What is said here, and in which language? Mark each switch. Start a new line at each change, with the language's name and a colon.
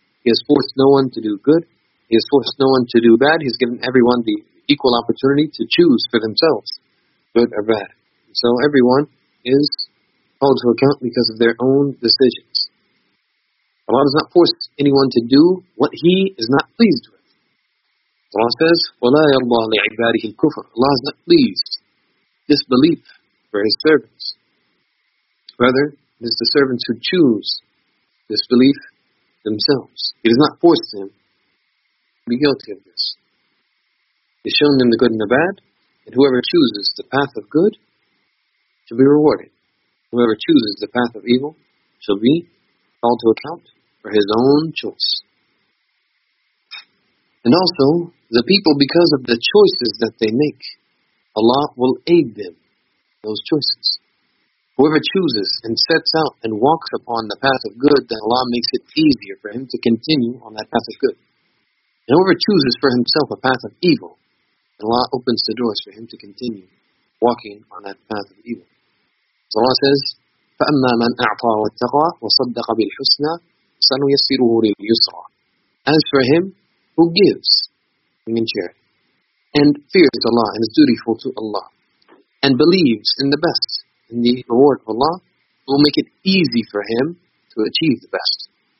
English: He has forced no one to do good. He has forced no one to do bad. He has given everyone the equal opportunity to choose for themselves good or bad. So, everyone is called to account because of their own decisions. Allah does not force anyone to do what He is not pleased with. Allah says,
Arabic: وَلَا يَرْضَى لِعِبَادِهِ الْكُفْرِ.
English: Allah is not pleased disbelief for His servants. Rather, it is the servants who choose disbelief themselves. He does not force them to be guilty of this. He has shown them the good and the bad, and whoever chooses the path of good shall be rewarded. Whoever chooses the path of evil shall be called to account for his own choice. And also, the people, because of the choices that they make, Allah will aid them in those choices. Whoever chooses and sets out and walks upon the path of good, then Allah makes it easier for him to continue on that path of good. And whoever chooses for himself a path of evil, then Allah opens the doors for him to continue walking on that path of evil. So Allah says,
Arabic: فَأَمَّا مَنْ أَعْطَى وَاتَّقَى وَصَدَّقَ بِالْحُسْنَى سَنُيَسِّرُهُ لِلْيُسْرَى.
English: As for him who gives and shares and fears Allah and is dutiful to Allah and believes in the best, in the reward of Allah, will make it easy for him to achieve the best.